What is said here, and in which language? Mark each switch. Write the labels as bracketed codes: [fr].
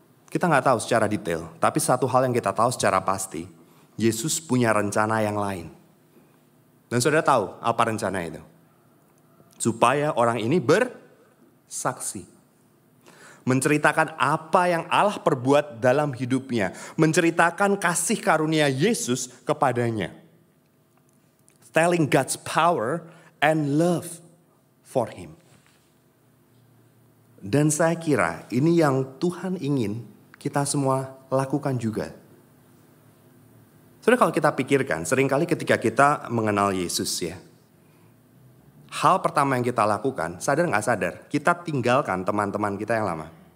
[id] Kita gak tahu secara detail, tapi satu hal yang kita tahu secara pasti, Yesus punya rencana yang lain. Dan saudara tahu apa rencana itu? Supaya orang ini bersaksi. Menceritakan apa yang Allah perbuat dalam hidupnya. Menceritakan kasih karunia Yesus kepadanya. [en] Telling God's power and love for him. [id] Dan saya kira ini yang Tuhan ingin kita semua lakukan juga. Sebenarnya kalau kita pikirkan, seringkali ketika kita mengenal Yesus ya, hal pertama yang kita lakukan, sadar gak sadar, kita tinggalkan teman-teman kita yang lama.